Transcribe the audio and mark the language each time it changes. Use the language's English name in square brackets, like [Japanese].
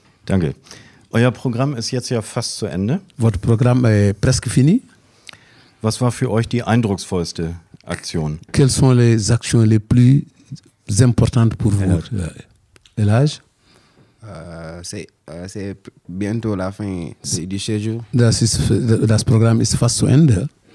[German] Danke. Euer Programm ist jetzt ja fast zu Ende. [French] Votre programme est presque fini. [German] Was war für euch die eindrucksvollste Aktion? [French] Quelles sont les actions les plus importantes pour vous? L'âge? C'est bientôt la fin du séjour. [German] Das Programm ist fast zu Ende.